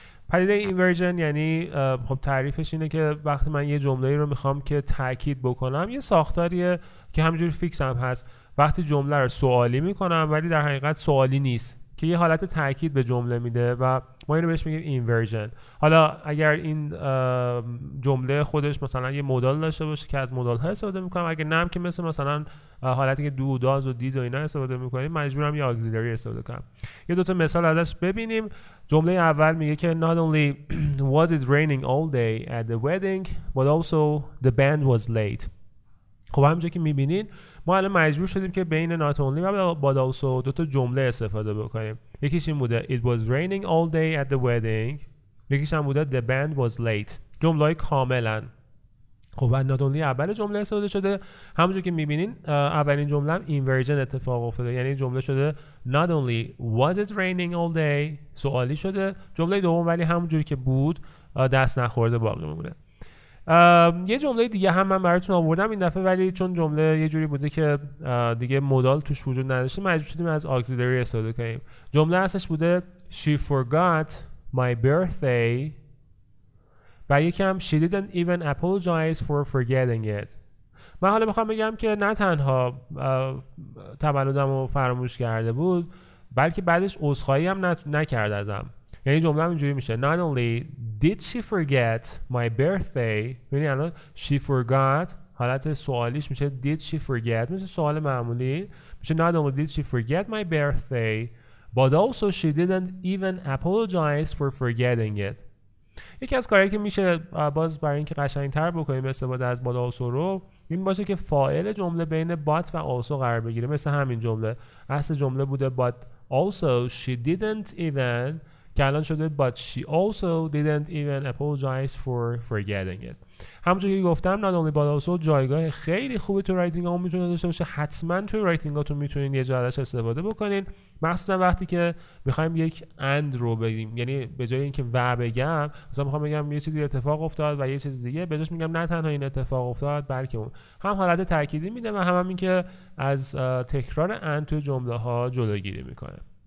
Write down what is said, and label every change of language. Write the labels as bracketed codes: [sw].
[fa] پدیده اینورژن یعنی خب تعریفش اینه که وقتی من یه جمله‌ای رو میخوام که تأکید بکنم، یه ساختاریه که همجوری فیکس هم هست، وقتی جمله رو سوالی میکنم ولی در حقیقت سوالی نیست، که یه حالت تأکید به جمله میده و ما اینو بهش میگیم اینورژن. حالا اگر این جمله خودش مثلا یه مودال داشته باشه که از مودال ها استفاده میکنم، اگر نم که مثل مثلا حالتی که دو داز و دید و اینا استفاده میکنیم، مجبورم یه آگزیلری استفاده کنم. یه دوتا مثال ازش ببینیم. جمله اول میگه که [en] not only was it raining all day at the wedding but also the band was late. [fa] خب همونجوری که میبینین ما الان مجبور شدیم که بین not only و باداوسو دو تا جمله استفاده بکنیم. یکیش این بوده [en] it was raining all day at the wedding، [fa] یکیش هم بوده [en] the band was late. [fa] جمله کاملن. خب [en] not only اول جمله استفاده شده، همونجوری که میبینین اولین جمله هم inversion اتفاق افتاده، یعنی جمله شده not only was it raining all day، [fa] سوالی شده، جمله دوم ولی همونجوری که بود دست نخورده باقی میمونه. یه جمله دیگه هم من براتون آوردم این دفعه، ولی چون جمله یه جوری بوده که دیگه مودال توش وجود نداشته، مجبور شدیم از auxiliary استفاده کنیم. جمله اصلش بوده [en] she forgot my birthday [fa] و یکم [en] she didn't even apologize for forgetting it. [fa] من حالا میخوام بگم که نه تنها تولدم رو فراموش کرده بود، بلکه بعدش عذرخواهی هم نکرد ازم. یعنی جمله هم اینجوری میشه [en] not only did she forget my birthday، [fa] یعنی الان [en] she forgot [fa] حالت سوالیش میشه [en] did she forget، [fa] مثل سوال معمولی میشه [en] not only did she forget my birthday but also she didn't even apologize for forgetting it. [fa] یکی از کارهایی که میشه باز برای اینکه قشنگتر بکنیم استفاده از but also رو این باشه که فاعل جمله بین but و also قرار بگیره، مثل همین جمله. اصل جمله بوده [en] but also she didn't even، [fa] که الان شده [en] but she also didn't even apologize for forgetting it. [fa] همونجوری که گفتم not only but also جایگاه خیلی خوبی تو رایتینگ هم میتونه داشته باشه، حتما تو رایتینگ هاتون میتونین یه جایی ازش استفاده بکنین، مخصوصا وقتی که میخوایم یک اند رو بگیم، یعنی به جای اینکه و بگم مثلا میخوام بگم یه چیزی اتفاق افتاد و یه چیز دیگه، بهش میگم نه تنها این اتفاق افتاد بلکه اون، هم حالت تاکیدی میده و هم اینکه از تکرار اند تو جمله ها جلوگیری میکنه.